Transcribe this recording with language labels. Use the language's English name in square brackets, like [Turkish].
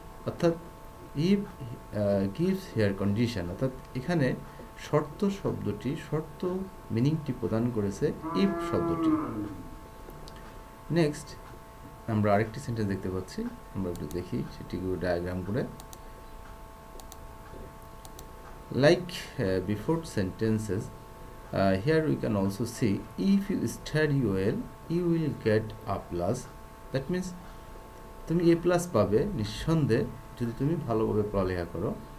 [Bangla] অর্থাৎ [English] if gives here condition, [Bangla] অর্থাৎ এখানে শর্ত শব্দটি, শর্ত মিনিংটি প্রদান করেছে if শব্দটি। Next, আমরা আরেকটি সেন্টেন্স দেখতে পাচ্ছি, আমরা একটু দেখি সেটি একটু ডায়াগ্রাম করে. [English] Like before sentences, here we can also see if you study well, you will get a plus. That means [Bangla] তুমি এ প্লাস পাবে নিঃসন্দেহে যদি তুমি ভালোভাবে পড়ালেখা করো.